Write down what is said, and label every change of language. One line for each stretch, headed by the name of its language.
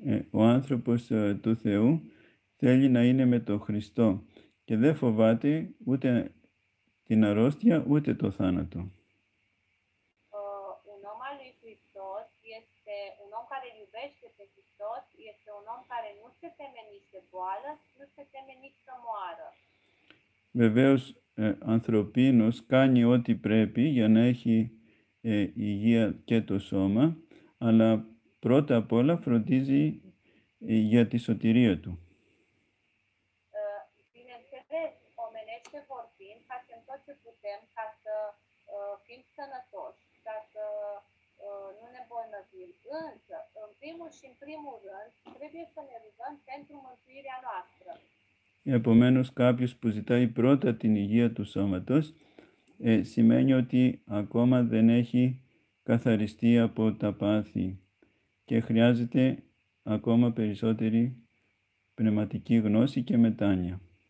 Greek: Ο άνθρωπος του Θεού θέλει να είναι με τον Χριστό και δεν φοβάται ούτε την αρρώστια ούτε το θάνατο.
Romanian: Un om al lui Hristos este un om care iubește pe Hristos, este un om care nu se teme nici de boală, nu se teme nici să moară.
Greek: Βεβαίως, ανθρωπίνος κάνει ό,τι πρέπει για να έχει υγεία και το σώμα, αλλά πρώτα απ' όλα φροντίζει για τη σωτηρία του.
Romanian: Bineînțeles, omenește
Greek: και
Romanian: vorbim, facem tot ce putem ca să fim sănătoși, ca să nu ne bolnăvim. Însă, în primul și în primul rând, trebuie să ne rugăm pentru mântuirea noastră.
Greek: Επομένως, κάποιος που ζητάει πρώτα την υγεία του σώματος, σημαίνει ότι ακόμα δεν έχει καθαριστεί από τα πάθη και χρειάζεται ακόμα περισσότερη πνευματική γνώση και μετάνοια.